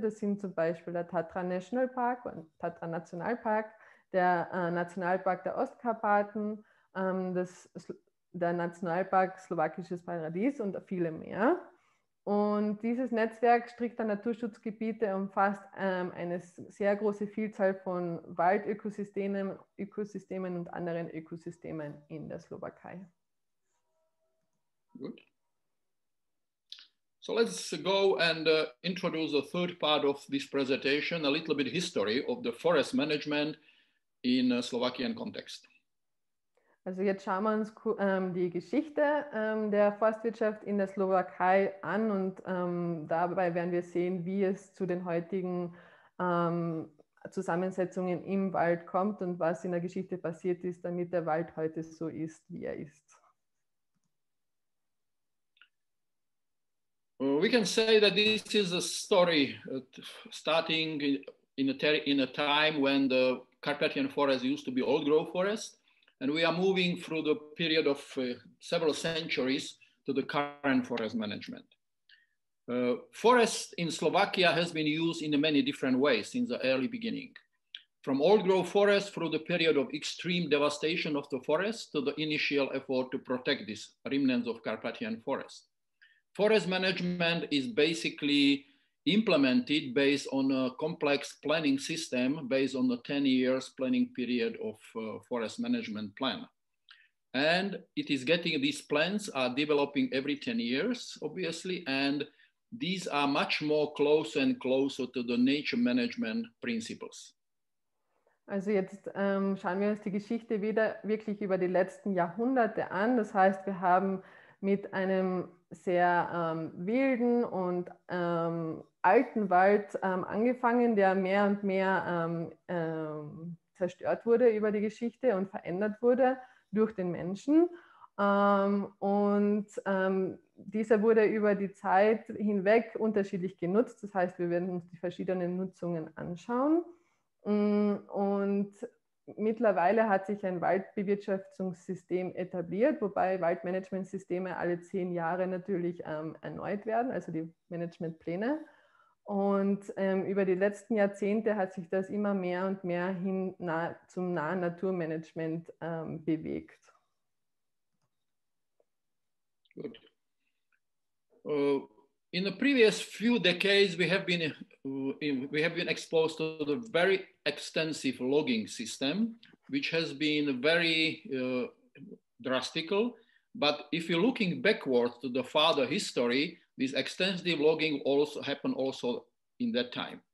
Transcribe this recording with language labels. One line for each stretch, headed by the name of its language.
German: Das sind zum Beispiel der Tatra National Park und Tatra Nationalpark, der Nationalpark der Ostkarpaten, der Nationalpark Slowakisches Paradies und viele mehr. Und dieses Netzwerk strikter Naturschutzgebiete umfasst eine sehr große Vielzahl von Waldökosystemen, Ökosystemen und anderen Ökosystemen in der Slowakei. Gut.
English: So let's go and introduce the third part of this presentation, a little bit history of the forest management in a Slovakian context.
German: Also jetzt schauen wir uns die Geschichte der Forstwirtschaft in der Slowakei an und dabei werden wir sehen, wie es zu den heutigen Zusammensetzungen im Wald kommt und was in der Geschichte passiert ist, damit der Wald heute so ist, wie er ist.
English: We can say that this is a story starting in a time when the Carpathian forest used to be old growth forest, and we are moving through the period of several centuries to the current forest management. Forest in Slovakia has been used in many different ways since the early beginning. From old growth forest through the period of extreme devastation of the forest to the initial effort to protect this remnants of Carpathian forest. Forest management is basically implemented based on a complex planning system based on the 10 years planning period of forest management plan. And it is getting these plans are developing every 10 years, obviously, and these are much more closer and closer to the nature management principles.
German: Also jetzt schauen wir uns die Geschichte wieder wirklich über die letzten Jahrhunderte an. Das heißt, wir haben mit einem sehr wilden und alten Wald angefangen, der mehr und mehr zerstört wurde über die Geschichte und verändert wurde durch den Menschen. Dieser wurde über die Zeit hinweg unterschiedlich genutzt. Das heißt, wir werden uns die verschiedenen Nutzungen anschauen. Und mittlerweile hat sich ein Waldbewirtschaftungssystem etabliert, wobei Waldmanagementsysteme alle 10 Jahre natürlich erneuert werden, also die Managementpläne. Und über die letzten Jahrzehnte hat sich das immer mehr und mehr hin zum nahen Naturmanagement bewegt. Gut.
English: In the previous few decades, we have been exposed to the very extensive logging system, which has been very drastical. But if you're looking backwards to the farther history, this extensive logging also happened also in that time.